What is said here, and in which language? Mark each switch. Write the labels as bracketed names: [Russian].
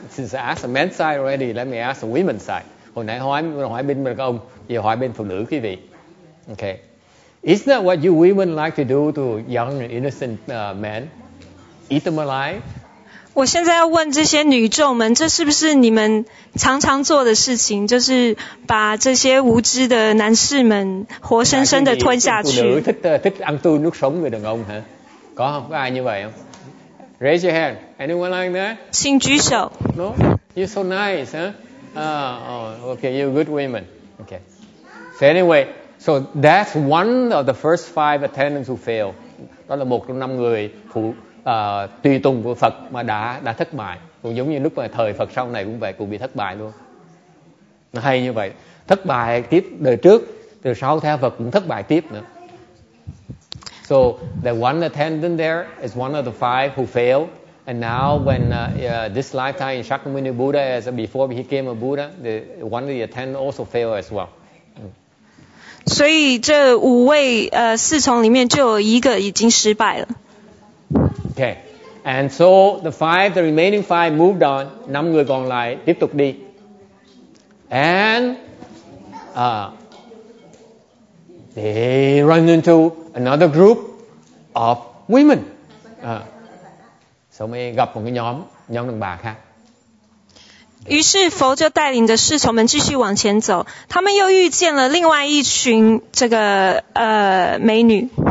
[English] Since I asked the men's side already, let me ask the women's side. [Vietnamese] Hồi nãy hỏi bên đàn ông, giờ hỏi bên phụ nữ quý vị. [English] Okay. Isn't that what you women like to do to young and innocent men? Eat them alive? [Chinese] 我现在要问这些女众们，这是不是你们常常做的事情，就是把这些无知的男士们活生生的吞下去？妇女 [Vietnamese] thích ăn tươi nuốt sống người đàn ông hả? Có không? Có ai như vậy không? [English] Raise your hand. Anyone like that? [Chinese] 请举手。 [English] No? You're so nice, huh? Okay, you're good women. Okay. So anyway, so that's one of the first five attendants who failed. [Vietnamese] Đó là một trong năm người phụ tùy tùng của Phật mà đã thất bại. Cũng giống như lúc mà thời Phật sau này cũng vậy, cũng bị thất bại luôn. Nó hay như vậy. Thất bại tiếp đời trước, từ sau theo Phật cũng thất bại tiếp nữa. [English] So the one attendant there is one of the five who failed. And now when this lifetime in Shakyamuni Buddha, as before he became a Buddha, the one of the attendants also failed as well. [Chinese] 所以这五位侍从里面就有一个已经失败了。 [English] Okay. And so the remaining five moved on. [Vietnamese] 5 người còn lại tiếp tục đi. [English] And they run into another group of women. [Vietnamese] Sau mới gặp một cái nhóm đàn bà khác. [Chinese] 于是佛就带领着侍从们继续往前走，他们又遇见了另外一群这个美女。